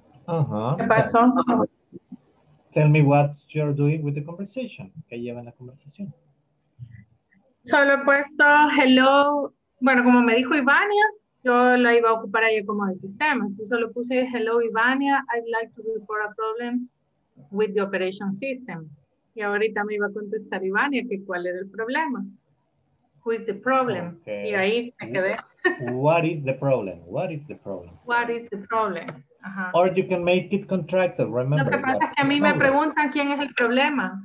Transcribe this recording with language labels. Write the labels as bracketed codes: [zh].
[en] Uh-huh. Tell me what you're doing with the conversation. [es] ¿Qué lleva en la conversación? Solo he puesto hello. Bueno, como me dijo Ivania, yo la iba a ocupar ella como de sistema. Entonces solo puse hello Ivania, [en] I'd like to report a problem with the operation system. [es] Y ahorita me iba a contestar Ivania que cuál era el problema. [en] Who is the problem? Okay. [es] Y ahí me quedé. [en] What is the problem? What is the problem? What is the problem? Uh-huh. Or you can make it contracted, remember. [es] Lo que pasa es que a mí me preguntan quién es el problema.